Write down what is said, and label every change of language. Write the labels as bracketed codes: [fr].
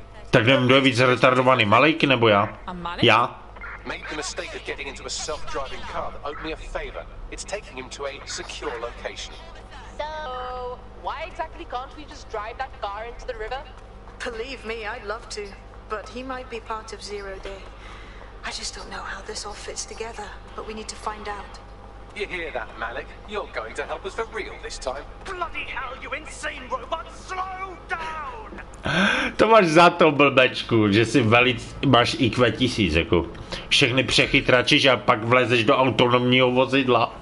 [cs] Tak nevím, kdo je víc retardovaný, Malik nebo já? Já? [en] Made the mistake of getting into a self-driving car that owed me a favor. It's taking him to a secure location. So, why exactly can't we just drive that car into the river? Believe me, I'd love to, but he might be part of Zero Day. I just don't know how this all fits together, but we need to find out. You hear that, Malik? You're going to help us for real this time. Bloody hell, you insane robot! Slow down! [cs] To máš za to, blbečku, že si velice máš IQ 1000, jako všechny přechytračíš a pak vlezeš do autonomního vozidla.